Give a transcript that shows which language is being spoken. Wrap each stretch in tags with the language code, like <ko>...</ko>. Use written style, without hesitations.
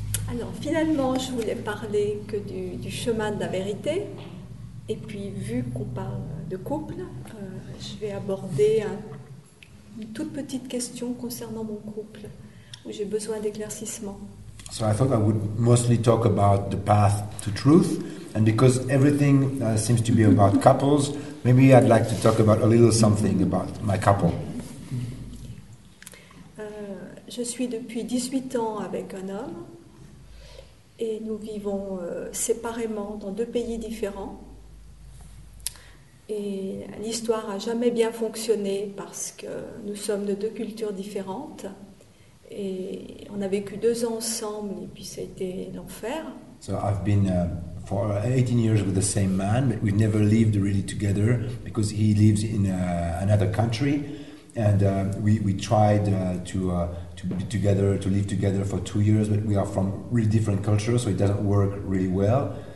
<fr>Alors, finalement, je voulais parler que du chemin de la vérité. Et puis, vu qu'on parle de couple, je vais aborder une toute petite question concernant mon couple, où j'ai besoin d'éclaircissement.</fr> <en>So I thought I would mostly talk about the path to truth. And because everything seems to be about couples, maybe I'd like to talk about a little something about my couple.</en> <fr>Je suis depuis 18 ans avec un homme. Et nous vivons séparément dans deux pays différents. Et l'histoire n'a jamais bien fonctionné parce que nous sommes de deux cultures différentes. Et on a vécu 2 ans ensemble et puis ça a été l'enfer.</fr> <en>So I've been for 18 years with the same man, but we've never lived really together because he lives in another country. And we tried to be together, to live together for 2 years, but we are from really different cultures, so it doesn't work really well.</en>